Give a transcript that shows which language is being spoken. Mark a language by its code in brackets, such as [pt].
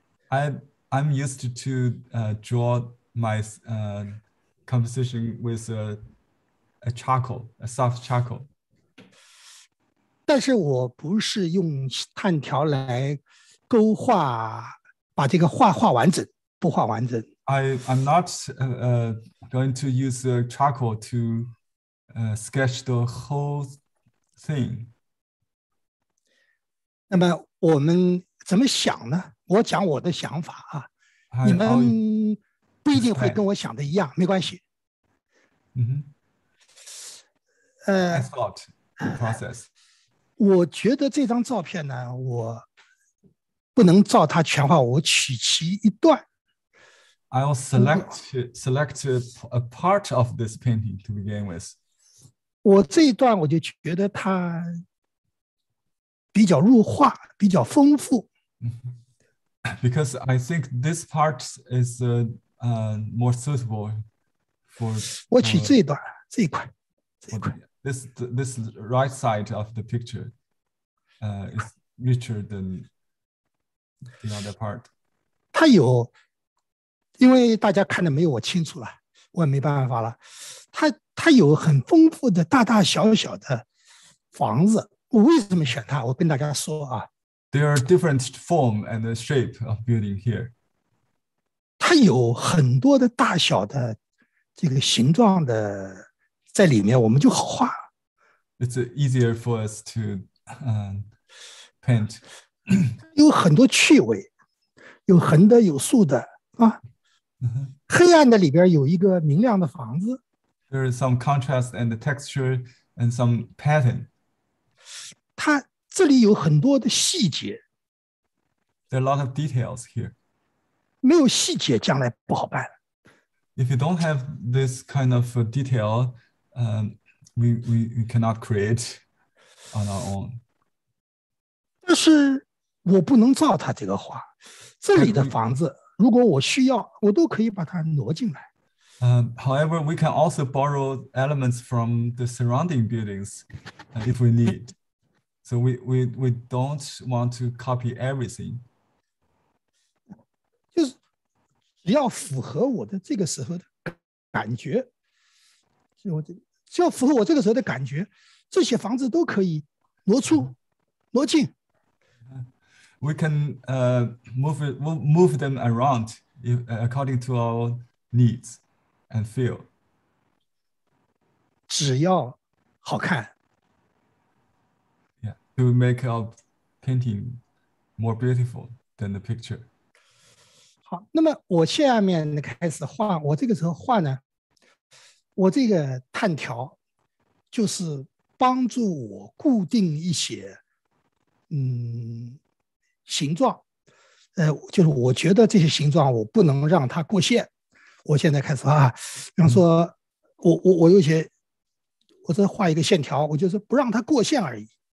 [en] I'm used to draw my composition with a charcoal, a soft charcoal. [zh] 但是我不是用炭条来勾画，把这个画画完整，不画完整。 [en] I'm not going to use a charcoal to sketch the whole thing. [zh] 那么我们怎么想呢？我讲我的想法啊，你们不一定会跟我想的一样，没关系。 [en] I thought the process. [zh] 我觉得这张照片呢，我不能照它全画，我取其一段。 [en] I'll select a part of this painting to begin with. [zh] 我这一段我就觉得它。比较入画，比较丰富。 [en] Because I think this part is more suitable for. [zh] 我取这一段，这一块，这一块。 [en] This right side of the picture, is richer than the other part. [zh] 它有，因为大家看的没有我清楚了，我也没办法了。它有很丰富的大大小小的房子。我为什么选它？我跟大家说啊 [en] ，There are different form and shape of building here. [zh] 它有很多的大小的这个形状的在里面，我们就好画。 [en] It's easier for us to paint. [zh] 有很多趣味，有横的，有竖的啊。黑暗的里边有一个明亮的房子。 [en] There is some contrast and the texture and some pattern. [zh] 它这里有很多的细节。 [en] There are a lot of details here. [zh] 没有细节，将来不好办。 [en] If you don't have this kind of detail, we cannot create on our own. [zh] 但是我不能照它这个画。这里的房子，如果我需要，我都可以把它挪进来。 [en] However, we can also borrow elements from the surrounding buildings, if we need. So we don't want to copy everything. [zh] 就是只要符合我的这个时候的感觉，只要符合我这个时候的感觉，这些房子都可以挪出、挪进。 [en] We can move them around if, according to our needs and feel. [zh] 只要好看。 [en] Yeah, to make a painting more beautiful than the picture. [zh] 好，那么我下面开始画。我这个时候画呢，我这个炭条就是帮助我固定一些，形状。就是我觉得这些形状我不能让它过线。我现在开始啊，比方说我有些，我这画一个线条，我就是不让它过线而已。